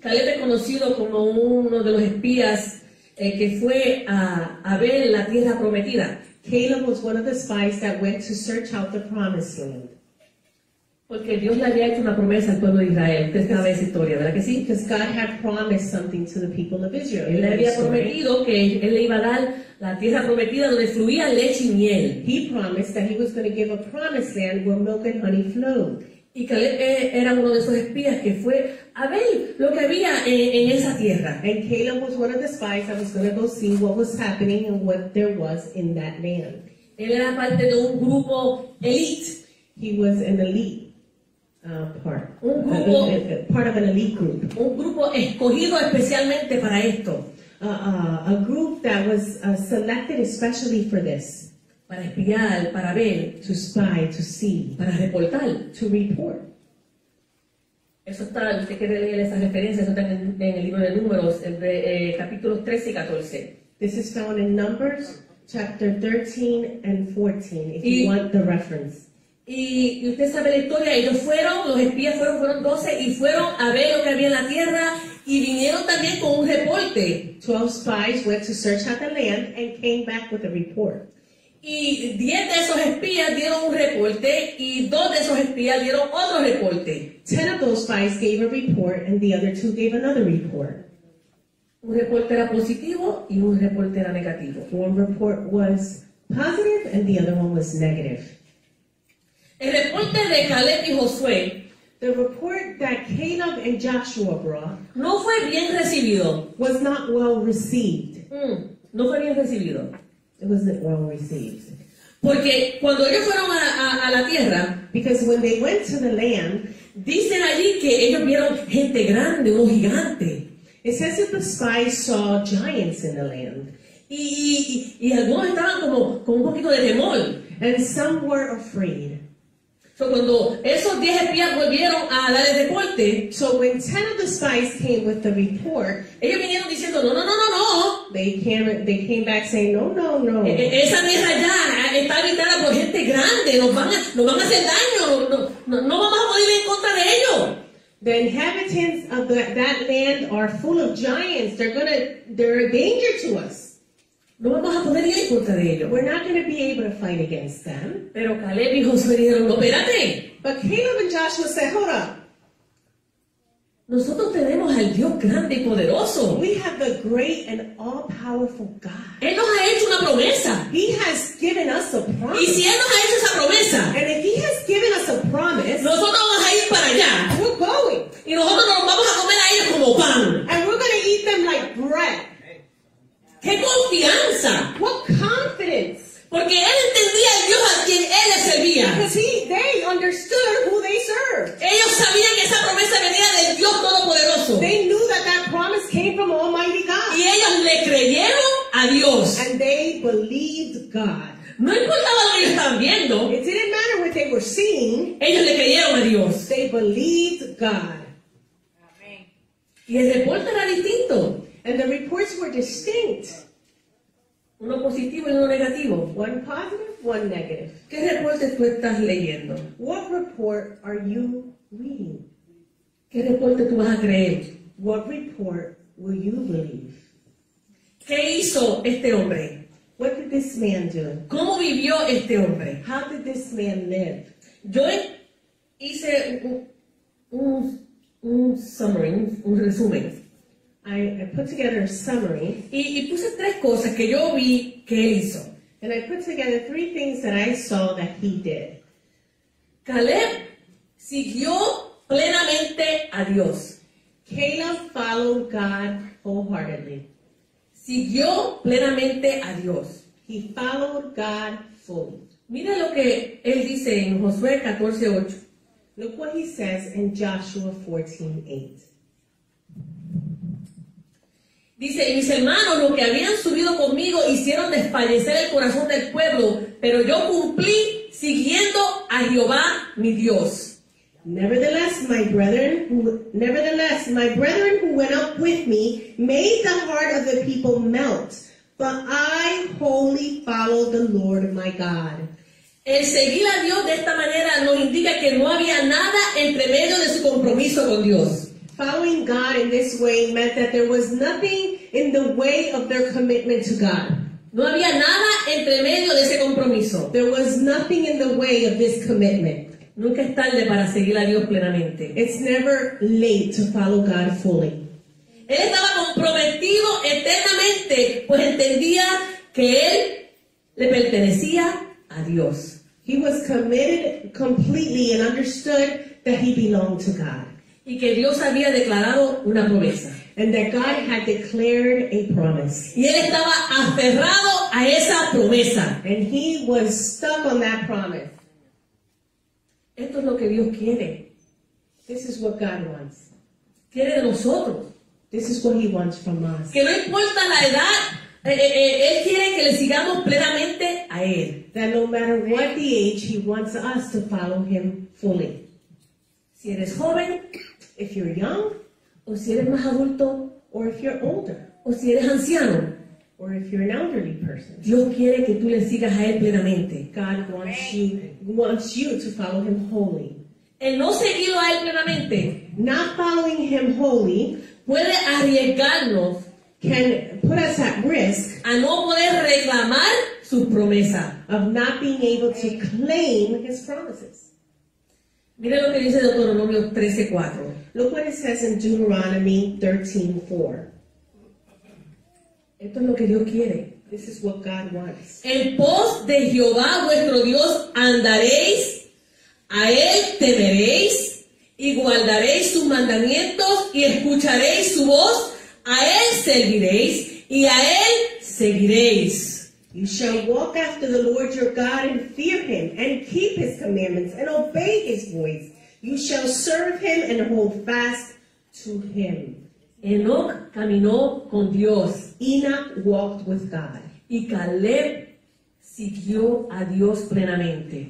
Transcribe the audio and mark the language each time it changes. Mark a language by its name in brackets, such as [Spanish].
[Spanish] Caleb es conocido como uno de los espías que fue a ver la tierra prometida. [English] Caleb was one of the spies that went to search out the promised land. [Spanish] Porque Dios le había hecho una promesa al pueblo de Israel. Usted sabe esa historia, ¿verdad que sí? [English] Because God had promised something to the people of Israel. [Spanish] Él le había prometido que él le iba a dar la tierra prometida donde fluía leche y miel. [English] He promised that he was going to give a promised land where milk and honey flowed. [Spanish] Y Caleb era uno de esos espías que fue a ver lo que había en esa tierra. [English] And Caleb was one of the spies that was going to go see what was happening and what there was in that land. [Spanish] Él era parte de un grupo elite. [English] He was an elite part. [Spanish] Un grupo, [English] part of an elite group. [Spanish] Un grupo escogido especialmente para esto. [English] A group that was selected especially for this. [Spanish] Para espiar, para ver, [English] to spy, to see, [Spanish] para reportar, [English] to report. [Spanish] Eso está, usted quiere leer esas referencias, eso está en el libro de Números, capítulos 13 y 14. [English] This is found in Numbers, chapter 13 and 14, if you want the reference. [Spanish] Y usted sabe la historia, ellos fueron, los espías fueron 12 y fueron a ver lo que había en la tierra. Y vinieron también con un reporte. [English] 12 spies went to search out the land and came back with a report. [Spanish] Y 10 de esos espías dieron un reporte y 2 de esos espías dieron otro reporte. [English] 10 of those spies gave a report and the other 2 gave another report. [Spanish] Un reporte era positivo y un reporte era negativo. [English] One report was positive and the other one was negative. [Spanish] El reporte de Caleb y Josué. [English] The report that Caleb and Joshua brought [Spanish] no fue bien recibido. [English] Was not well received. [Spanish] No fue bien recibido. [English] It wasn't well received. [Spanish] Porque cuando ellos fueron a la tierra, [English] because when they went to the land, [Spanish] dicen allí que ellos vieron gente grande, un gigante. [English] It says that the spies saw giants in the land. [Spanish] Y algunos estaban como un poquito de temor. [English] And some were afraid. [Spanish] So cuando esos 10 espías volvieron a dar el reporte, [English] so when 10 of the spies came with the report, [Spanish] ellos vinieron diciendo no, no, no, no, no. [English] They came back saying no, no, no. [Spanish] Esa tierra ya está habitada por gente grande. Nos van a hacer daño. No vamos a poder ir en contra de ellos. [English] The inhabitants of that land are full of giants. They're a danger to us. [Spanish] No vamos a poder ir contra ellos. [English] We're not going to be able to fight against them. [Spanish] Pero Caleb y Josué dijeron, no, espérate. [English] But Caleb and Joshua said, hold up. [Spanish] Nosotros tenemos al Dios grande y poderoso. [English] We have the great and all-powerful God. [Spanish] Él nos ha hecho una promesa. [English] He has given us a promise. [Spanish] Y si Él nos ha hecho esa promesa, [English] and if He has given us a promise, [Spanish] nosotros vamos a ir para allá. [English] We're going. [Spanish] Y nosotros nos vamos a comer a ellos como pan. [English] And we're going to eat them like bread. [Spanish] ¡Qué confianza! [English] What confidence! [Spanish] Porque él entendía el Dios a quien él le servía. [English] Because they understood who they served. [Spanish] Ellos sabían que esa promesa venía del Dios Todopoderoso. [English] They knew that promise came from Almighty God. [Spanish] Y ellos le creyeron a Dios. [English] And they believed God. [Spanish] No importaba lo que ellos estaban viendo. [English] It didn't matter what they were seeing. [Spanish] Ellos le creyeron a Dios. [English] They believed God. [Spanish] Amén. Y el reporte era distinto. [English] And the reports were distinct. [Spanish] Uno positivo y uno negativo. [English] One positive, one negative. [Spanish] ¿Qué reporte tú estás leyendo? [English] What report are you reading? [Spanish] ¿Qué reporte tú vas a creer? [English] What report will you believe? [Spanish] ¿Qué hizo este hombre? [English] What did this man do? [Spanish] ¿Cómo vivió este hombre? [English] How did this man live? [Spanish] Yo hice un summary, un resumen. [English] I put together a summary. [Spanish] Y puse tres cosas que yo vi que él hizo. [English] And I put together 3 things that I saw that he did. [Spanish] Caleb siguió plenamente a Dios. [English] Caleb followed God wholeheartedly. [Spanish] Siguió plenamente a Dios. [English] He followed God fully. [Spanish] Mira lo que él dice en Josué 14:8. [English] Look what he says in Joshua 14:8. [Spanish] Dice, y mis hermanos, los que habían subido conmigo, hicieron desfallecer el corazón del pueblo, pero yo cumplí siguiendo a Jehová mi Dios. [English] Nevertheless, my brethren who went up with me made the heart of the people melt, but I wholly followed the Lord my God. [Spanish] El seguir a Dios de esta manera nos indica que no había nada entre medio de su compromiso con Dios. [English] Following God in this way meant that there was nothing in the way of their commitment to God. [Spanish] No había nada entre medio de ese compromiso. [English] There was nothing in the way of this commitment. [Spanish] Nunca es tarde para seguir a Dios plenamente. [English] It's never late to follow God fully. [Spanish] Él estaba comprometido eternamente, pues entendía que él le pertenecía a Dios. [English] He was committed completely and understood that he belonged to God. [Spanish] Y que Dios había declarado una promesa. [English] And that God had declared a promise. [Spanish] Y él estaba aferrado a esa promesa. [English] And he was stuck on that promise. [Spanish] Esto es lo que Dios quiere. [English] This is what God wants. [Spanish] Quiere de nosotros. [English] This is what he wants from us. [Spanish] Que no importa la edad, él quiere que le sigamos plenamente a él. [English] That no matter what the age, he wants us to follow him fully. [Spanish] Si eres joven, [English] if you're young, [Spanish] o si eres más adulto, [English] or if you're older, [Spanish] o si eres anciano, [English] or if you're an elderly person, [Spanish] Dios quiere que tú le sigas a él plenamente. [English] God wants you to follow him wholly. [Spanish] El no seguirlo a él plenamente, [English] not following him wholly, [Spanish] puede arriesgarnos, [English] can put us at risk, [Spanish] a no poder reclamar su promesa, [English] of not being able to claim his promises. [Spanish] Mira lo que dice Deuteronomio 13:4. [English] Look what it says in Deuteronomy 13:4. [Spanish] Esto es lo que Dios quiere. [English] This is what God wants. [Spanish] En pos de Jehová vuestro Dios andaréis, a él temeréis, y guardaréis sus mandamientos, y escucharéis su voz, a él serviréis, y a él seguiréis. [English] You shall walk after the Lord your God and fear him and keep his commandments and obey his voice. You shall serve him and hold fast to him. [Spanish] Enoch caminó con Dios. [English] Enoch walked with God. [Spanish] Y Caleb siguió a Dios plenamente.